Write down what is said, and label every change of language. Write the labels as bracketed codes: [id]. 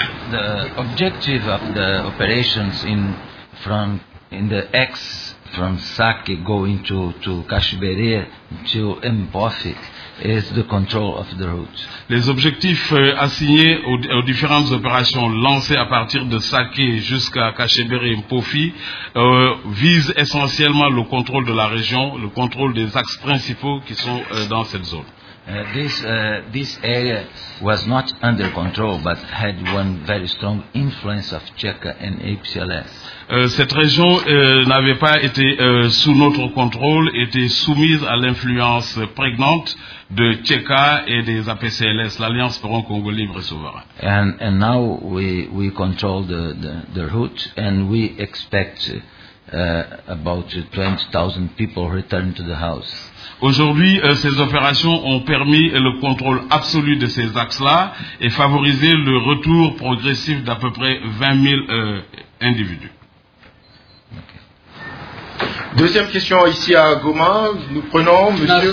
[en] The objective of the operations in the X from Sake going to Kashibere to Mbofi is the control of the route. [fr] Les objectifs assignés aux différentes opérations lancées à partir de Sake jusqu'à Kashibere et Mbofi visent essentiellement le contrôle de la région, le contrôle des axes principaux qui sont dans cette zone. [en] This area was not under control but had one very strong influence of Cheka and APCLS. [fr] Cette région n'avait pas été sous notre contrôle, était soumise à l'influence prégnante de Cheka et des APCLS, l'Alliance pour un Congo libre et souverain. [en] And now we control the route and we expect about 20,000 people return to the house. [fr] Aujourd'hui, ces opérations ont permis le contrôle absolu de ces axes-là et favorisé le retour progressif d'à peu près 20 000 individus. Okay. Deuxième question ici à Goma. Nous prenons monsieur